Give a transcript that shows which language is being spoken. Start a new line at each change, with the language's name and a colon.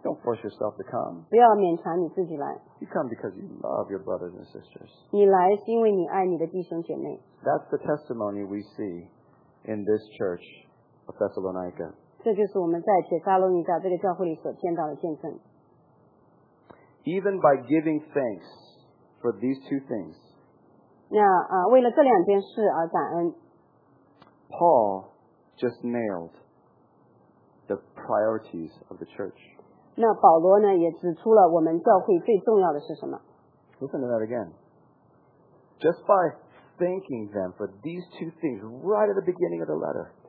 English: Don't force yourself to come.
Chinese: 不要勉强你自己来。
English: You come because you love your brothers and sisters.
Chinese: 你来是因为你爱你的弟兄姐妹。
English: That's the testimony we see in this church of Thessalonica.
Chinese: 这就是我们在帖撒罗尼迦这个教会里所见到的见证。
English: Even by giving thanks for these two things.
Chinese: 那为了这两件事而感恩。
English: Paul. Just nailed the priorities of the church.
Chinese: 那保罗呢也指出了我们教会最重要的是什么
English: Listen to that again. Just by thanking them for these two things right at the beginning of the letter.